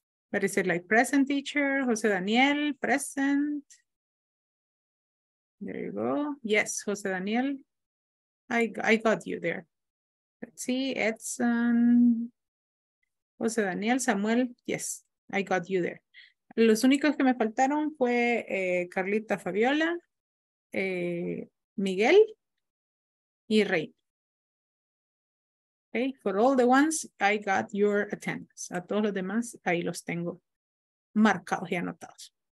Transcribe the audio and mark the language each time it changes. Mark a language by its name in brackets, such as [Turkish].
[English] But is it like present, teacher? Jose Daniel, present. There you go. Yes, Jose Daniel. I got you there. Let's see, Edson, Jose Daniel, Samuel, yes, I got you there. [Spanish] Los únicos que me faltaron fue Carlita Fabiola, Miguel y Rey. [English] Okay, for all the ones, I got your attendance. [Spanish] A todos los demás, ahí los tengo marcados y anotados.